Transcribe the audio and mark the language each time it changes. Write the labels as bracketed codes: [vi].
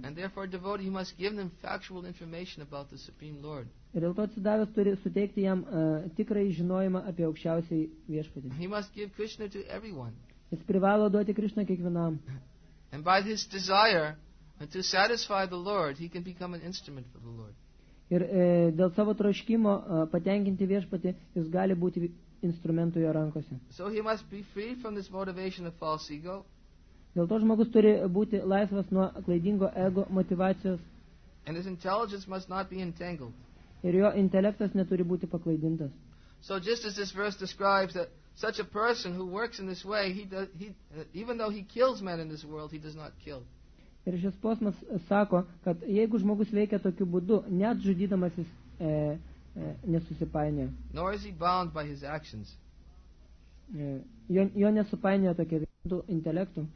[en] And therefore a devotee must give them factual information about the Supreme Lord. [lt] Ir dėl to atsidavęs turi suteikti jam tikrai žinojimą apie aukščiausiai viešpatį. [en] He must give Krishna to everyone. [lt] Jis privalo duoti Krishna kiekvienam. [en] And by his desire to satisfy the Lord, he can become an instrument for the Lord. [lt] Ir dėl savo troškimo patenkinti viešpatį, jis gali būti instrumentu jo rankose. [en] So he must be free from this motivation of false ego. [lt] Dėl to žmogus turi būti laisvas nuo klaidingo ego motivacijos. [en] And his intelligence must not be entangled. [lt] Ir jo intelektas neturi būti paklaidintas. [en] So just as this verse describes that such a person who works in this way, even though he kills men in this world, he does not kill. [lt] Ir šis posmas sako, kad jeigu žmogus veikia tokiu būdu, net žudydamas jis nesusipainioja. [en] Nor is he bound by his actions. [lt] Jo nesupainioja tokie du intelektų.